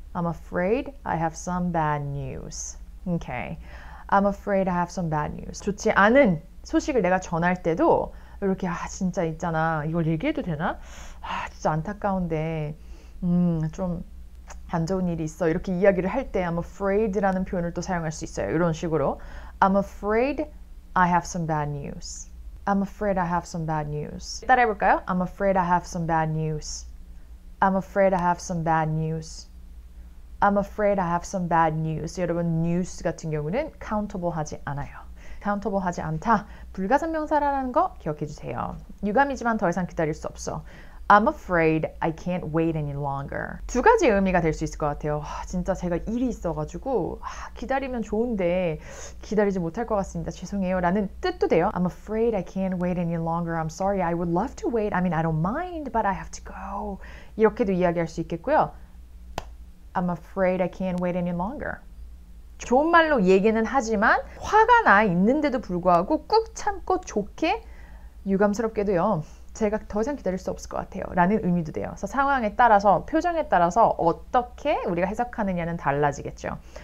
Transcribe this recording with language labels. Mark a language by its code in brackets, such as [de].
[en] I'm afraid I have some bad news. Okay. I'm afraid I have some bad news. [ko] 좋지 않은 소식을 내가 전할 때도 이렇게 아 진짜 있잖아. 이걸 얘기해도 되나? 아 진짜 안타까운데 좀 안 좋은 일이 있어 이렇게 이야기를 할 때 I'm afraid라는 표현을 또 사용할 수 있어요. 이런 식으로 [en] I'm afraid I have some bad news. I'm afraid I have some bad news. [ko] 따라해 볼까요? [en] I'm afraid I have some bad news. I'm afraid I have some bad news. I'm afraid I have some bad news. [ko] 여러분 news 같은 경우는 countable 하지 않아요. countable 하지 않다. 불가산명사라는 거 기억해 주세요. 유감이지만 더 이상 기다릴 수 없어. [en] I'm afraid I can't wait any longer. [ko] 두 가지 의미가 될 수 있을 것 같아요. 아, 진짜 제가 일이 있어가지고 아, 기다리면 좋은데 기다리지 못할 것 같습니다. 죄송해요. 라는 뜻도 돼요. [en] I'm afraid I can't wait any longer. I'm sorry. I would love to wait. I mean, I don't mind, but I have to go. [ko] 이렇게도 이야기할 수 있겠고요. [en] I'm afraid I can't wait any longer. [ko] 좋은 말로 얘기는 하지만 화가 나 있는데도 불구하고 꾹 참고 좋게 유감스럽게도요. 제가 더 이상 기다릴 수 없을 것 같아요 라는 의미도 돼요. 그래서 상황에 따라서 표정에 따라서 어떻게 우리가 해석하느냐는 달라지겠죠.